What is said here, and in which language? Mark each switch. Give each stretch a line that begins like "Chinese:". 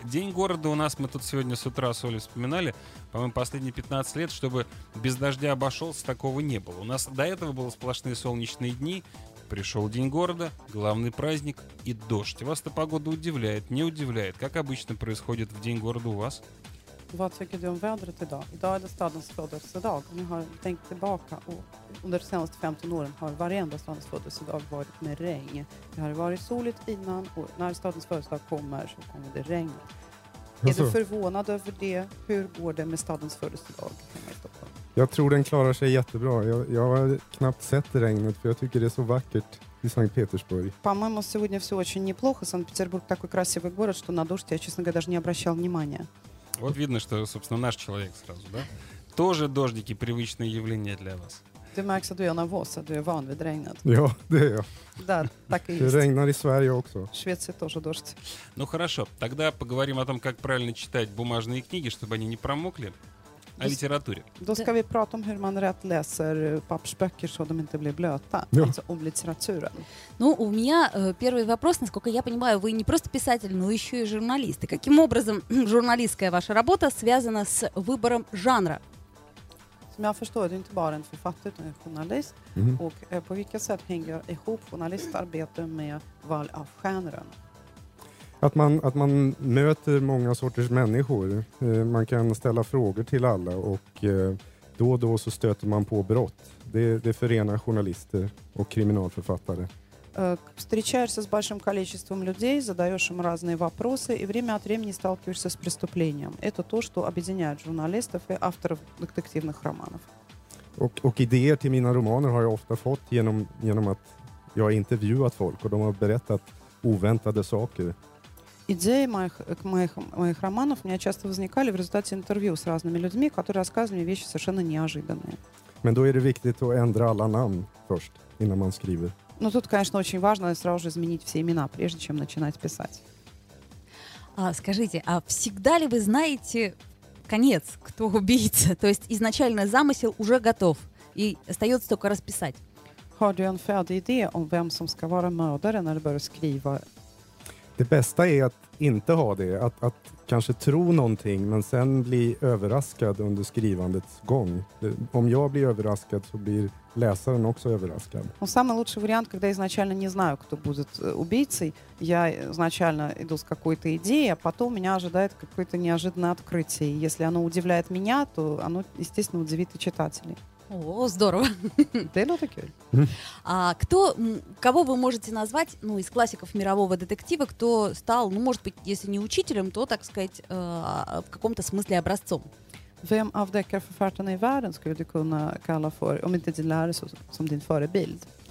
Russian: День города у нас, мы тут сегодня с утра с Олей вспоминали, по-моему, последние 15 лет, чтобы без дождя обошелся, такого не было. У нас до этого были сплошные солнечные дни, пришел день города, главный праздник и дождь. Вас-то погода удивляет, не удивляет? Как обычно происходит в день города у вас?
Swedish: Vad tycker du om vädret idag? Idag är det stadens födelsedag. Om jag har tänkt tillbaka och under de senaste 15 åren har varenda stadens födelsedag varit med regn. Det har varit soligt innan och när stadens födelsedag kommer så kommer det regn. Är du förvånad över det? Hur går det med stadens födelsedag? Jag tror den klarar sig jättebra. Jag har knappt sett regnet för jag tycker det är så vackert.
Russian: И Санкт-Петербург. По-моему, сегодня все очень неплохо. Санкт-Петербург такой красивый город, что на дождь я, честно говоря, даже не обращал внимания. Вот видно, что, собственно, наш человек сразу, да? Тоже дождики — привычное явление для вас.
Swedish: Ты märks, что ты en av oss, att du är van vid regnet. Ja, det är jag.
Russian: Да, так и есть.
Swedish: Det regnar i Sverige också.
Russian: В Швеции тоже дождь. Ну хорошо, тогда поговорим о том, как правильно читать бумажные книги, чтобы они не промокли. О литературе.
Swedish: Då ska vi prata om hur man rätt läser pappersböcker så de inte blir blöta. Om litteraturen.
Russian: Ну, у меня первый вопрос. Насколько я понимаю, вы не просто писатель, но еще и журналист. И каким образом журналистская ваша работа связана с выбором жанра?
Swedish: Som jag förstår, du är inte bara en författare utan en journalist. Och på vilket sätt hänger ihop journalistarbete med val av genren? Att man möter många sorters människor. Man kan ställa frågor till alla och då så stöter man på brott. Det förenar journalister och kriminalförfattare.
Russian: Встречаешься с большим количеством людей, задаешь им разные вопросы и время от времени сталкиваешься с преступлением. Это то, что объединяет журналистов и авторов детективных романов.
Swedish: Och idéer till mina romaner har jag ofta fått genom att jag har intervjuat folk och de har berättat oväntade saker.
Russian: Идеи моих романов у меня часто возникали в результате интервью с разными людьми, которые рассказывали мне вещи совершенно неожиданные.
Swedish: Men då är det viktigt att ändra alla namn först, innan man skriver.
Russian: Ну тут, конечно, очень важно сразу же изменить все имена, прежде чем начинать писать. Скажите, а всегда ли вы знаете конец, кто убийца? То есть изначально замысел уже готов, и остается только расписать.
Swedish: Har du en färdig idé om vem som ska vara mördaren när du börjar skriva? Det bästa är att inte ha det, att kanske tro någonting men sen bli överraskad under skrivandets gång. Om jag blir överraskad så blir läsaren också överraskad.
Russian: Och самый лучший вариант, когда я изначально не знаю, кто будет убийцей, я изначально иду с какой-то идеей, а потом меня ожидает какое-то неожиданное открытие. И если оно удивляет меня, то оно, естественно, удивит и читателей. О, здорово. Ты ну такой. А кто, кого вы можете назвать, ну, из классиков мирового детектива, кто стал, ну, может быть, если не учителем, то, так сказать, в каком-то смысле образцом?
Swedish: Vem av deckarförfattarna i världen skulle du kunna kalla för, om inte din lärare, som din förebild?